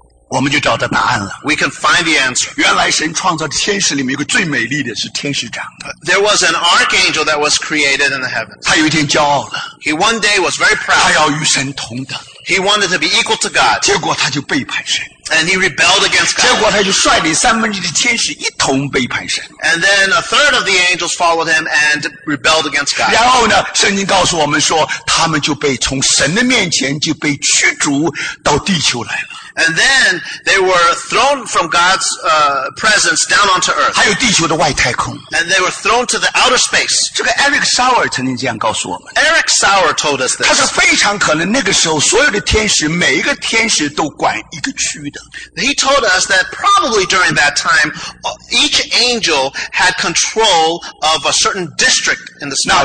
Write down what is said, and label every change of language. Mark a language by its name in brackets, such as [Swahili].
[Chinese] 我们就找到答案了。 [English] We can find the answer. [Chinese] 原来神创造的天使里面有个最美丽的是天使长的。 [English] There was an archangel that was created in the heavens. [Chinese] 他有一天骄傲了。 [English] He one day was very proud. [Chinese] 他要与神同等。 [English] He wanted to be equal to God. [Chinese] 结果他就背叛神。 [English] And he rebelled against God. [Chinese] 结果他就率领三分之一的天使一同背叛神。 [English] And then a third of the angels followed him and rebelled against God. [Chinese] 然后呢，圣经告诉我们说，他们就被从神的面前就被驱逐到地球来了。 [English] And then they were thrown from God's presence down onto earth. [Chinese] 还有地球的外太空。 [English] And they were thrown to the outer space. [Chinese] 这个 Eric Sauer 曾经这样告诉我们。 [English] Eric Sauer told us this. [Chinese] 他说非常可能那个时候所有的天使每一个天使都管一个区域的。 [English] He told us that probably during that time, each angel had control of a certain district in the outer